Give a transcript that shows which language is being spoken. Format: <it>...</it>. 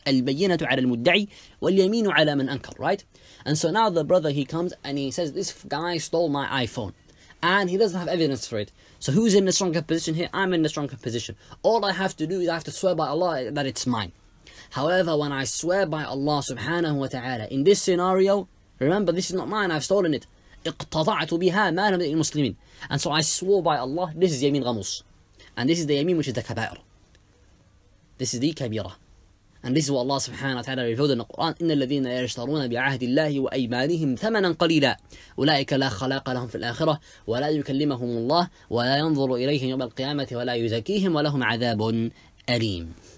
<ar>البينات على المدعي واليمين على من أنكر,</ar> <en>right? And so now the brother, he comes and he says, this guy stole my iPhone. And he doesn't have evidence for it. So who's in the stronger position here? I'm in the stronger position. All I have to do is I have to swear by Allah that it's mine. However, when I swear by Allah subhanahu wa ta'ala, in this scenario, remember, this is not mine, I've stolen it.</en> <ar>اقتضعت بها مالا من المسلمين.</ar> <en>And so I swore by Allah, this is</en> <ar>يمين غموس.</ar> <en>And this is the yameen which is the kabair. This is the kabira. And this is what Allah subhanahu wa ta'ala revealed in the Quran.</en> <ar>إِنَّ الَّذِينَ يَشْتَرُونَ بِعَهْدِ اللَّهِ وَأَيْمَانِهِمْ ثَمَنًا قَلِيلًا أُولَئِكَ لَا خَلَاقَ لَهُمْ فِي الْآخِرَةِ وَلَا يُكَلِّمَهُمُ اللَّهِ وَلَا يَنظُرُ إِلَيْهِمْ يَوْمَ الْقِيَامَةِ وَلَا يُزَكِيهِمْ وَلَهُمْ عَذَابٌ أَلِيمٌ.</ar>